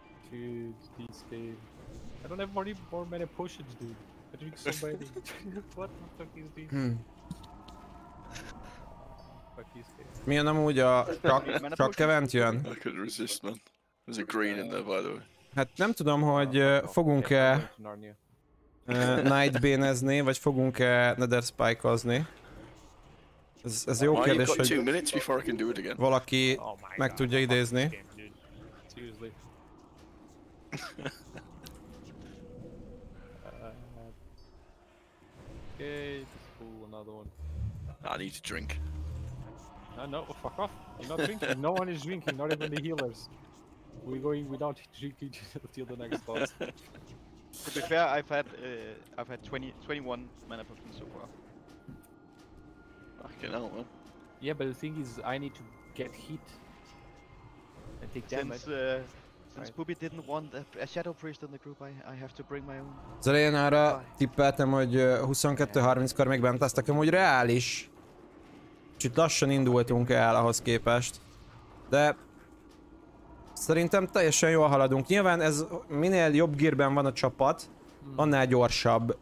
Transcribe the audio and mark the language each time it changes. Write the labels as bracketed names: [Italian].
[English] Dude, this game. I don't have more, more mana potions, dude. I drink so many. What the fuck is this? Fuck this game. [Hungarian] Milyen amúgy a csak kevent jön? [English] I could resist, man. There's a green in there, by the way. [Hungarian] Hát nem tudom, hogy fogunk-e... Nightbane-ezni, vagy fogunk-e Nether Spike-ozni? Ez jó kérdés, hogy valaki meg tudja idézni. [English] I need to drink. No, fuck off. I'm not drinking. No one is drinking, not even the healers. We're going without drinking until the next boss. To be fair, I've had 21 mana potions so far. Fucking hell, man. Yeah, but the thing is, I need to get hit and take damage. Since Poopy didn't want a Shadow Priest in the group, I have to bring my own. [Hungarian] Az elején arra tippeltem, hogy 22-30-kor még bent lesztek, amúgy reális. Kicsit lassan indultunk el ahhoz képest. De... Szerintem teljesen jól haladunk. Nyilván ez minél jobb gírben van a csapat, annál gyorsabb.